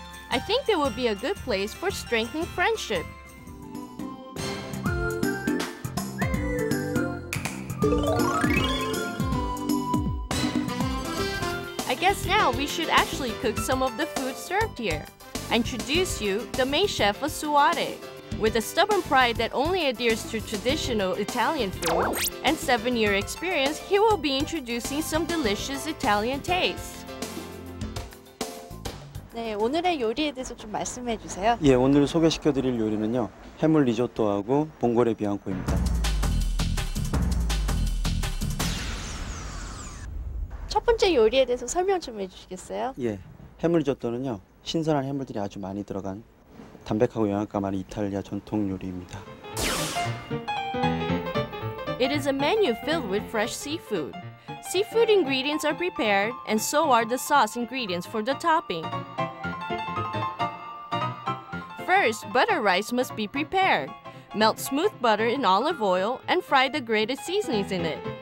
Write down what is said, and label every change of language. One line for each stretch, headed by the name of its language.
English: I think they would be a good place for strengthening friendship. I guess now we should actually cook some of the food served here. I introduce you the main chef of Suare. With a stubborn pride that only adheres to traditional Italian food and 7-year experience, he will be introducing some delicious Italian tastes.
Korean: 네, 오늘의 요리에 대해서 좀 말씀해 주세요. 예, 오늘 소개시켜 드릴 요리는요. 해물 리조또하고 봉골레 비앙코입니다. 첫 번째 요리에 대해서 설명 좀 해주시겠어요? 예, 해물 리조또는요, 신선한 해물들이 아주 많이 들어간 담백하고 영양가 많은 이탈리아 전통 요리입니다.
English: It is a menu filled with fresh seafood. Seafood ingredients are prepared, and so are the sauce ingredients for the topping. First, butter rice must be prepared. Melt smooth butter in olive oil and fry the grated seasonings in it.